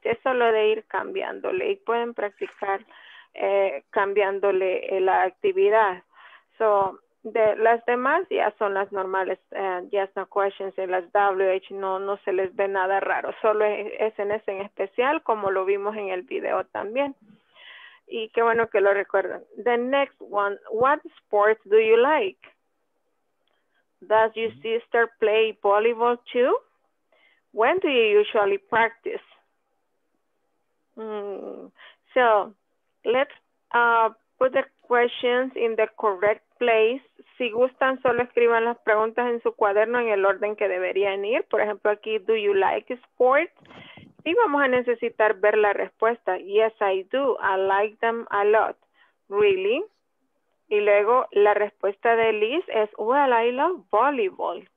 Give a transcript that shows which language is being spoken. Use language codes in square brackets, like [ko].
[es] Es solo de ir cambiándole. Y pueden practicar cambiándole la actividad. So, de las demás ya son las normales, [en] yes, no questions, [es] en las WH no se les ve nada raro, solo es en ese en especial, como lo vimos en el video también. Y qué bueno que lo recuerdan. [en] The next one, what sports do you like? Does your sister play volleyball too? When do you usually practice? So, let's put the questions in the correct place. [es] Si gustan, solo escriban las preguntas en su cuaderno en el orden que deberían ir. Por ejemplo, aquí, [en] do you like sports? [es] Y vamos a necesitar ver la respuesta. [en] Yes, I do. I like them a lot. Really? [es] Y luego, la respuesta de Liz es, [en] well, I love volleyball.